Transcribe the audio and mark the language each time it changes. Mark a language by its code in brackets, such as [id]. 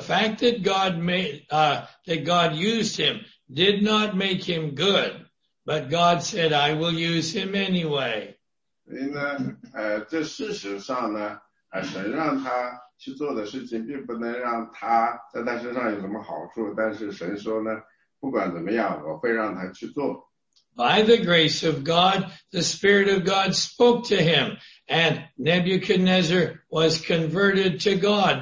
[en] fact that God made that God used him did not make him good, but God said, "I will use him anyway." [zh] 所以呢，这事实上呢。神让他去做的事情并不能让他在他身上有什么好处，但是神说呢，不管怎么样，我会让他去做。 [en] By the grace of God, the Spirit of God spoke to him, and Nebuchadnezzar was converted to God.